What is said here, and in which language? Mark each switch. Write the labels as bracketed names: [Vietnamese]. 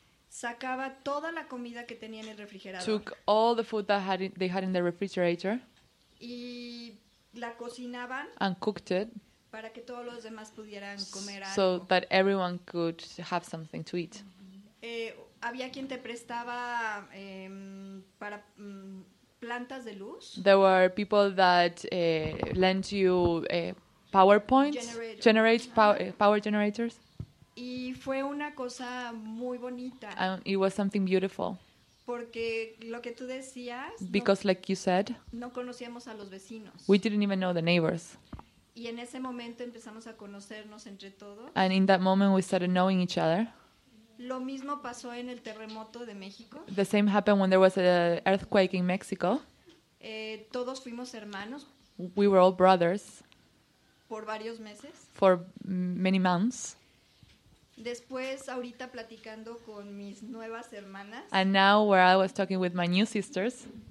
[Spanish] Sacaba toda la comida que tenía en el refrigerador. [English] Took all the food that they had in the refrigerator. [Spanish] Y la cocinaban. [English] And cooked it. [Spanish] Para que todos los demás pudieran comer algo. [English] So that everyone could have something to eat. [Spanish] Había quien te prestaba para plantas de luz. [English] There were people that lent you PowerPoints, power generators. [Spanish] Y fue una cosa muy bonita. [English] And it was something beautiful. [Spanish] Porque lo que tú decías. [English] Because like you said. [Spanish] No conocíamos a los vecinos. [English] We didn't even know the neighbors. [Spanish] Y en ese momento empezamos a conocernos entre todos. [English] And in that moment we started knowing each other. [Spanish] Lo mismo pasó en el terremoto de México. [English] The same happened when there was an earthquake in Mexico. [Spanish] Todos fuimos hermanos. [English] We were all brothers. [Spanish] Por varios meses. [English] For many months. [Spanish] Después, ahorita platicando con mis nuevas hermanas. [English] And now, where I was talking with my new sisters.